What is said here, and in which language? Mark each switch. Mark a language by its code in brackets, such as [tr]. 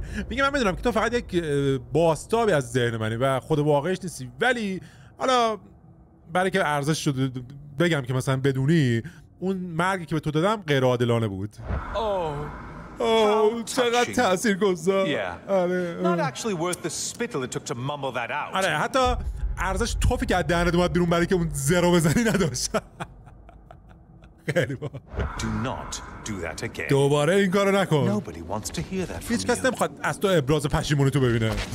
[fa] میگه من میدونم که تو فقط یک باستابی از ذهن منی و خود واقعیش نیستی، ولی حالا برای که عرضش شد بگم که مثلا بدونی اون مرگی که به تو دادم غیر عادلانه بود. [en] Oh, [fa] چقدر تأثیر گذار. [en] Not actually worth the spittle it took to mumble that out. [fa] آره حتی ارزش توفی که از دهنت اومد بیرون برای که اون زرو بزنی نداشت. خیلی با. [en] Do not do that again. [fa] دوباره این کارو نکن. [en] Nobody wants to hear that from you. [fa] هیچ کس نمیخواد از تو ابراز پشیمونی تو ببینه.